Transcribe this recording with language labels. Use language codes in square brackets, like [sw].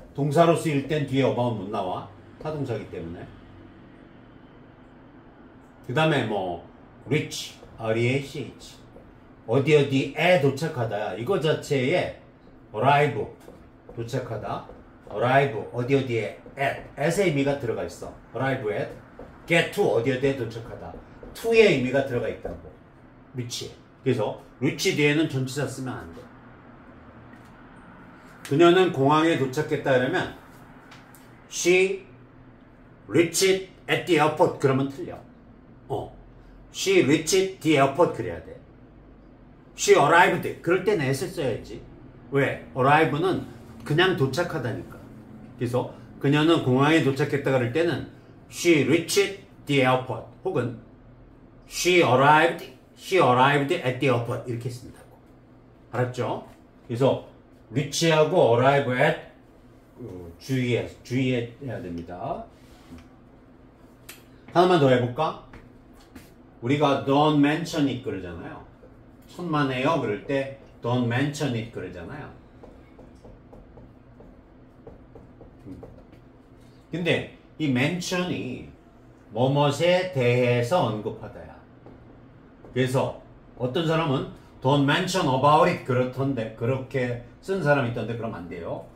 [ko] 동사로 쓰일 땐 뒤에 about 못 나와. 타동사이기 때문에. 그 다음에 뭐 reach, R-E-A-C-H 어디 어디에 도착하다. 이거 자체에 arrive, 도착하다. arrive, 어디 어디에 at, at의 의미가 들어가 있어. [en] arrive at, get to, [ko] 어디 어디에 도착하다. to의 의미가 들어가 있다고. reach에. 그래서 reach 뒤에는 전치사 쓰면 안 돼. 그녀는 공항에 도착했다 그러면 [en] she reached at the airport. [ko] 그러면 틀려. [en] 어, she reached the airport [ko] 그래야 돼. [en] She arrived. [ko] 그럴 때는 S를 써야지. 왜? arrive는 그냥 도착하다니까. 그래서 그녀는 공항에 도착했다 그럴 때는 [en] she reached the airport [ko] 혹은 [en] she arrived at the airport [ko] 이렇게 쓴다고. 알았죠? 그래서 reach하고 arrive at 주의해야 됩니다. 하나만 더 해볼까? 우리가 [en] don't mention it [ko] 그러잖아요. 천만에요 그럴 때 [en] don't mention it [ko] 그러잖아요. 근데 이 mention이 뭐뭇에 대해서 언급하다야. 그래서 어떤 사람은 [en] don't mention about it [ko] 그렇던데 그렇게 쓴 사람이 있던데 그럼 안 돼요.